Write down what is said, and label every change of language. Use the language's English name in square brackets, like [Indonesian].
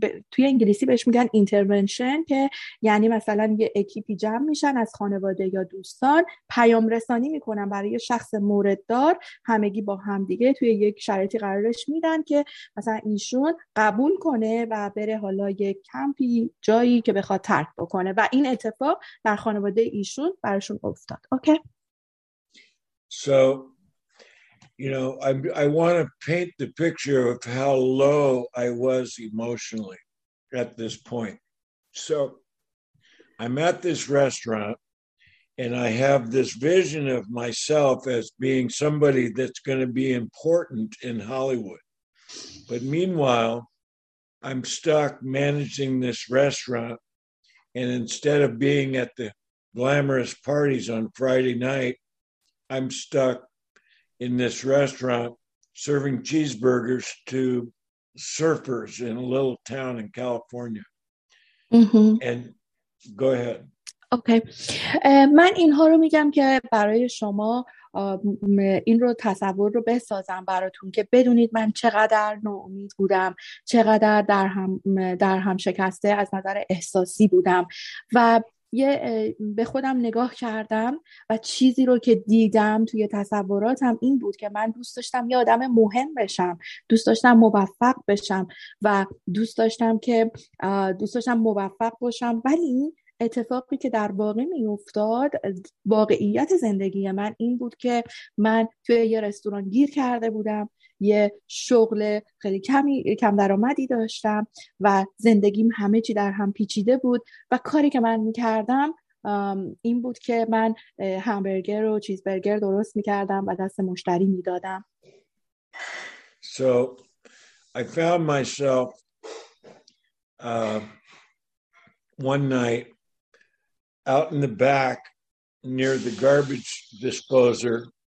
[Persian] توی انگلیسی بهش میگن اینترونشن، که یعنی مثلا یه اکیپی جمع میشن از خانواده یا دوستان، پیام رسانی میکنن برای شخص مورد دار، همگی با همدیگه توی یک شرایطی قرارش میدن که مثلا ایشون قبول کنه و بره حالا یک کمپی جایی که بخواد ترک بکنه، و این اتفاق در خانواده ایشون برشون افتاد. [English] Okay. So, you know, I want to paint the picture of how low I was emotionally at this point. So I'm at this restaurant and I have this vision of myself as being somebody that's going to be important in Hollywood. But meanwhile, I'm stuck managing this restaurant. And instead of being at the glamorous parties on Friday night, I'm stuck in this restaurant serving cheeseburgers to surfers in a little town in California. Mm-hmm. And go ahead. Okay. [Persian] من اینها رو میگم که برای شما این رو تصور رو بسازم براتون که بدونید من چقدر ناامید بودم، چقدر در هم شکسته از نظر احساسی بودم و یه به خودم نگاه کردم و چیزی رو که دیدم توی تصوراتم این بود که من دوست داشتم یه آدم مهم بشم، دوست داشتم موفق بشم و دوست داشتم موفق باشم، ولی اتفاقی که در واقع می افتاد، واقعیت زندگی من این بود که من توی یه رستوران گیر کرده بودم، یه شغل خیلی کم درآمدی داشتم و زندگیم همه چی در هم پیچیده بود و کاری که من می‌کردم این بود که من همبرگر و چیزبرگر درست می‌کردم و دست مشتری می‌دادم. [English] So I found myself one night out in the back near the garbage disposer.